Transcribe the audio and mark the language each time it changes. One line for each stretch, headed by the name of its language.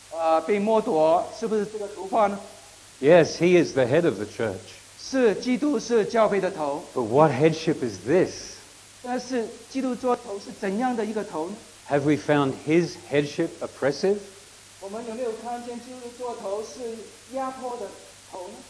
Chinese: 是不是教会被基督来压迫，从当中取了很多利，被剥夺，是不是这个图画呢？
English: Yes, he is the head of the church.
Chinese: 是基督是教会的头。
English: But what headship is this?
Chinese: 但是基督做头是怎样的一个头呢？
English: Have we found his headship oppressive?
Chinese: 我们有没有看见基督做头是压迫的头呢？